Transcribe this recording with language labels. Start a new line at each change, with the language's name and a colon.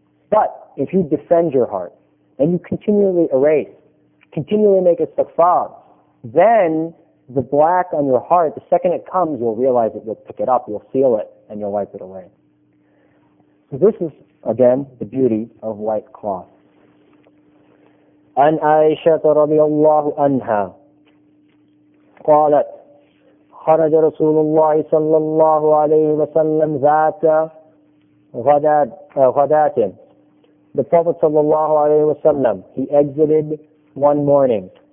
English: But if you defend your heart and you continually erase, continually make it safar, then the black on your heart, the second it comes, you'll realize it, you'll pick it up, you'll feel it, and you'll wipe it away. So this is, again, the beauty of white cloth.
Arabic: عن عائشة رضي الله عنها قالت خرج رسول الله صلى الله عليه وسلم ذات غدات.
English: The Prophet
Arabic: صلى الله عليه وسلم,
English: he exited one morning.